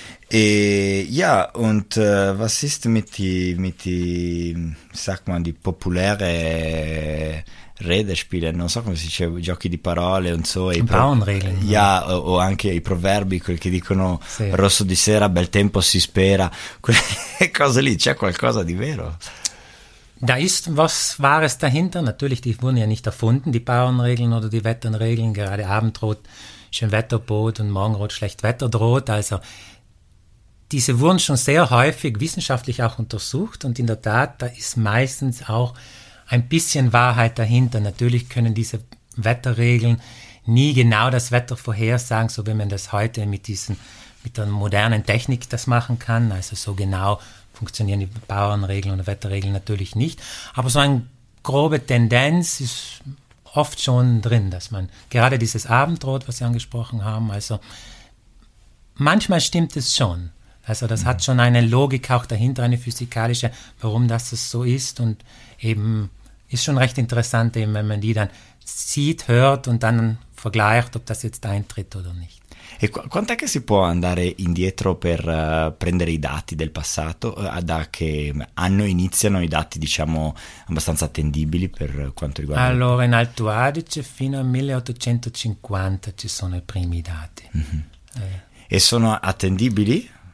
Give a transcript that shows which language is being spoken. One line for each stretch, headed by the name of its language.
German: Was ist mit die populäre Redespiele,
Italian: non so come si dice, giochi di parole, non so, o anche i proverbi, quel che dicono, sì, rosso di sera, bel tempo si spera, quelle cose lì, c'è qualcosa di vero?
German: Da ist was Wahres dahinter. Natürlich, die wurden ja nicht erfunden, die Bauernregeln oder die Wetterregeln. Gerade Abend droht schön Wetter droht und morgen droht schlecht Wetter droht. Also diese wurden schon sehr häufig wissenschaftlich auch untersucht. Und in der Tat, da ist meistens auch ein bisschen Wahrheit dahinter. Natürlich können diese Wetterregeln nie genau das Wetter vorhersagen, so wie man das heute mit der modernen Technik das machen kann. Also so genau funktionieren die Bauernregeln und Wetterregeln natürlich nicht. Aber so eine grobe Tendenz ist oft schon drin, dass man gerade dieses Abendrot, was Sie angesprochen haben, also manchmal stimmt es schon. Also das hat schon eine Logik auch dahinter, eine physikalische, warum das so ist. Und eben ist schon recht interessant, eben, wenn man die dann sieht, hört und dann vergleicht, ob das jetzt eintritt oder nicht.
Italian: E quanto è che si può andare indietro per prendere i dati del passato? Da che anno iniziano i dati, diciamo, abbastanza attendibili per quanto riguarda... Allora, in Alto Adige fino al 1850 ci sono i primi dati. Mm-hmm. E sono attendibili?